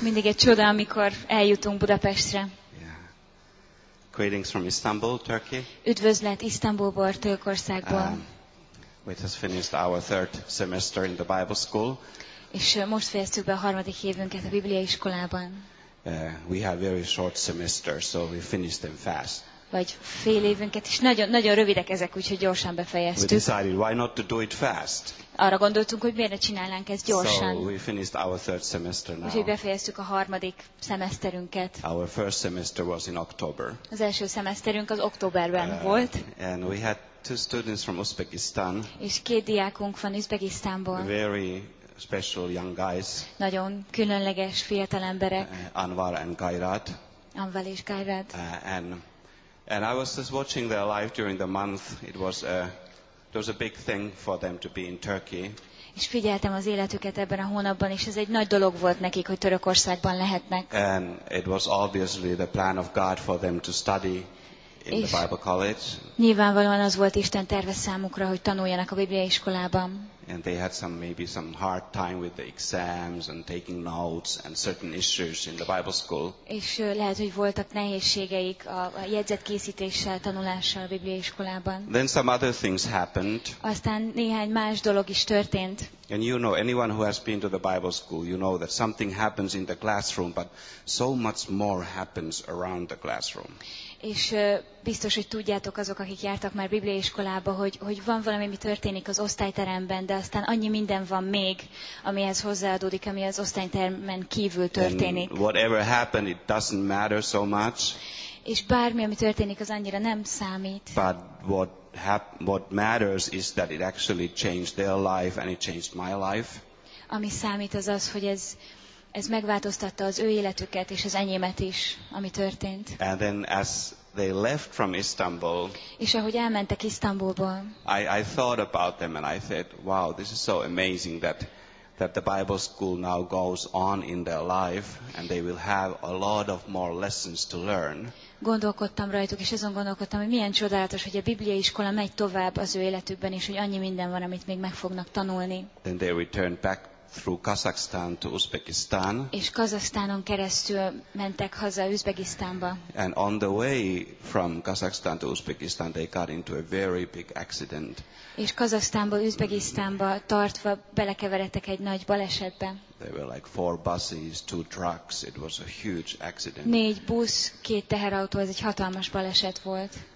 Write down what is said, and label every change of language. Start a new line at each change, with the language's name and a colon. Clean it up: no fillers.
Hungarian: Mindig egy csoda, amikor eljutunk Budapestre.
English: Yeah. Greetings from Istanbul, Turkey.
Hungarian: Üdvözlet Isztambulból, Törökországból.
English: We just finished our third semester in the Bible school.
Hungarian: És most fejeztük be a harmadik évünket a Bibliai iskolában.
English: We have very short semester, so we finish them fast.
Hungarian: Vagy fél évünket is nagyon nagyon rövidek ezek, úgyhogy gyorsan befejeztük.
English: We decided why not to do it fast.
Hungarian: Arra gondoltunk, hogy miért ne csinálnánk ezt gyorsan.
English: So we finished our third semester now.
Hungarian: Úgyhogy befejeztük a harmadik szemeszterünket.
English: Our first semester was in October.
Hungarian: Az első szemeszterünk az októberben volt.
English: And we had two students from Uzbekistan.
Hungarian: És két diákunk van Üzbegisztánból.
English: Very special young guys.
Hungarian: Nagyon különleges fiatal emberek.
English: Anwar and Gairat.
Hungarian: Anwar és Gairat.
English: And I was just watching their life during the month. It was a big thing for them to be in Turkey.
Hungarian: És figyeltem az életüket ebben a hónapban, és ez egy nagy dolog volt nekik, hogy Törökországban lehetnek.
English: And it was obviously the plan of God for them to study in the Bible college.
Hungarian: Nyilvánvalóan az volt Isten terve számukra, hogy tanuljanak a Biblia iskolában.
English: And they had maybe some hard time with the exams and taking notes and certain issues in the Bible school.
Hungarian: És lehet, hogy voltak nehézségeik a jegyzetkészítéssel, tanulással a Biblia iskolában.
English: Then some other things happened.
Hungarian: Aztán néhány más dolog is történt.
English: And you know, anyone who has been to the Bible school, you know that something happens in the classroom, but so much more happens around the classroom.
Hungarian: És biztos, hogy tudjátok azok, akik jártak már Biblia iskolába, hogy van valami, mi történik az osztályteremben, de aztán annyi minden van még, amihez hozzáadódik, ami az osztálytermen kívül történik.
English: And whatever happened, it doesn't matter so much.
Hungarian: És bármi, ami történik, az annyira nem számít.
English: But what matters is that it actually changed their life and it changed my life.
Hungarian: Ami számít, az az, hogy ez megváltoztatta az ő életüket és az enyémet is, ami történt.
English: And then as they left from Istanbul,
Hungarian: és ahogy elmentek Isztambulból,
English: I thought about them and I said, wow, this is so amazing that the Bible school now goes on in their life and they will have a lot of more lessons to learn.
Hungarian: Gondolkodtam rajtuk, és azon gondolkodtam, hogy milyen csodálatos, hogy a Bibliai iskola megy tovább az ő életükben, és hogy annyi minden van, amit még meg fognak tanulni.
English: Then they returned back through Kazakhstan to Uzbekistan.
Hungarian: És Kazakhstánon keresztül mentek haza Üzbegisztánba.
English: And on the way from Kazakhstan to Uzbekistan they got into a very big accident.
Hungarian: És Kazakhstánból Üzbegisztánba tartva belekeveredtek egy nagy balesetbe.
English: There were like 4 buses, 2 trucks. It was a huge accident.
Hungarian: 4 busz, 2 teherautó, ez egy hatalmas baleset volt.